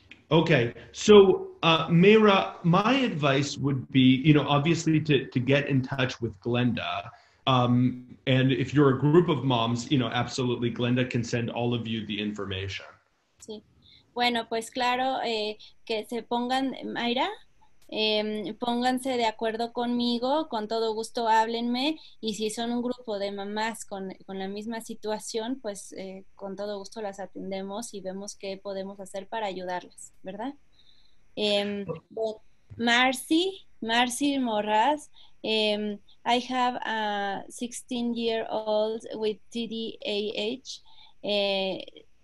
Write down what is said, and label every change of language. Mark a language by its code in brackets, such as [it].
[en] Okay, so Mira, my advice would be, you know, obviously to get in touch with Glenda. And if you're a group of moms, you know, absolutely, Glenda can send all of you the information. [es] Sí. Bueno, pues claro, que se pongan, Mayra, pónganse de acuerdo conmigo, con todo gusto háblenme, y si son un grupo de mamás con la misma situación, pues con todo gusto las atendemos y vemos qué podemos hacer para ayudarlas, ¿verdad? [en] Marcy Morras, I have a 16-year-old with TDAH.